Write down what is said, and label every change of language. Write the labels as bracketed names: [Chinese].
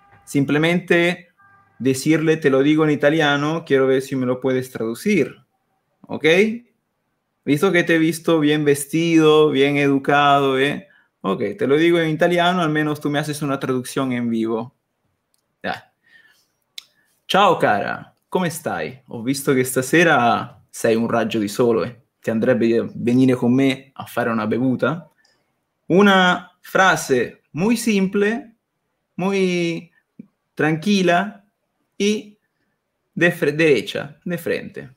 [Spanish] Simplemente decirle, te lo digo en italiano, quiero ver si me lo puedes traducir, ¿ok? Visto que te he visto bien vestido, bien educado, ¿eh? Ok, te lo digo en italiano, al menos tú me haces una traducción en vivo. Ya. [Italian] Ciao cara, [Spanish] ¿cómo estás? [Italian] Ho visto que stasera sei un raggio di sole. Ti andrebbe venire con me a fare una bevuta? [Spanish] Una frase muy simple, muy tranquila y derecha, de frente.